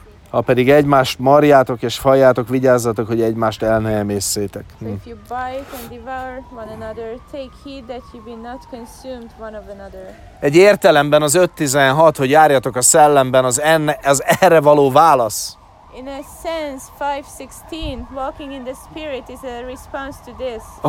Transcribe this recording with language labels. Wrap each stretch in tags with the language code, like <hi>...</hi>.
<hu>Ha pedig egymást marjátok és faljátok, vigyázzatok, hogy egymást el ne emészszétek.</hu> <en>So if you bite and devour one another, take heed that you be not consumed one of another.</en> <hu>Egy értelemben az 5:16, hogy járjatok a szellemben, az erre való válasz.</hu> <en>in a sense 5:16 walking in the spirit is a response to this.</en>